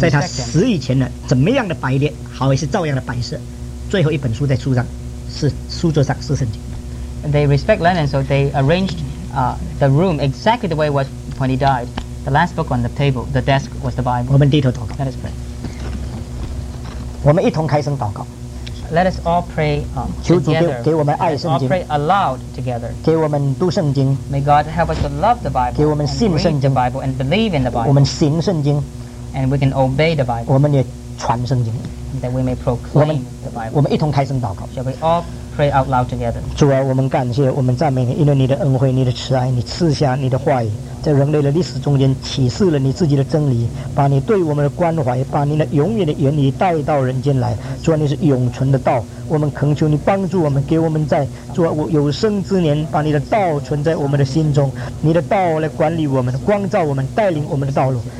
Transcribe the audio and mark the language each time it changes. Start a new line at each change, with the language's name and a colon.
Chinese: 在他死以前呢，怎么样的摆列，好也是照样的摆设。最后一本书在书上，是书桌上是圣经。
English: They respect Lenin, so they arranged、the room exactly the way it was when he died. The last book on the table, the desk, was the Bible.
Chinese: 我们低头祷告。
English: Let us pray.
Chinese: 我们一同开声祷告。
English: Let us all pray、together. Let us all pray aloud together. May God help us to love the Bible and read the Bible and believe in the Bible.
Chinese: 我们行圣经。
English: And we can obey the Bible.
Chinese: 我们也传圣经。
English: And that we may proclaim the Bible.
Chinese: 我们一同开声祷告。
English: Shall we all pray out loud together?
Chinese: 主啊，我们感谢，我们赞美你，因为你的恩惠，你的慈爱，你赐下你的话语，在人类的历史中间启示了你自己的真理，把你对我们的关怀，把你的永远的原理带到人间来。主啊，你是永存的道，我们恳求你帮助我们，给我们在主啊有生之年把你的道存在我们的心中，你的道来管理我们，光照我们，带领我们的道路。